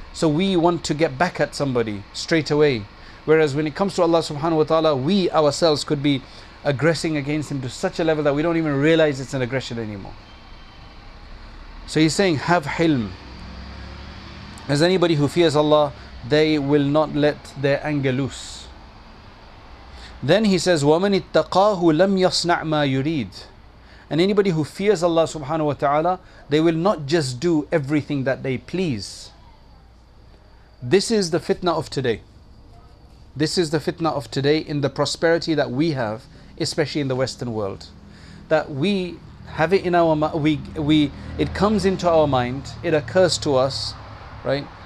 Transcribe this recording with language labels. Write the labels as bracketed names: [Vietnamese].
[English] So we want to get back at somebody straight away. Whereas when it comes to Allah subhanahu wa ta'ala, we ourselves could be aggressing against Him to such a level that we don't even realize it's an aggression anymore. So he's saying, have hilm. As anybody who fears Allah, they will not let their anger loose. Then he says, [Arabic] وَمَنِ اتَّقَاهُ لَمْ يَصْنَعْ مَا يُرِيدُ. [English] And anybody who fears Allah subhanahu wa ta'ala, they will not just do everything that they please. This is the fitna of today. This is the fitna of today in the prosperity that we have, especially in the Western world. That we have it in our it comes into our mind, it occurs to us, right?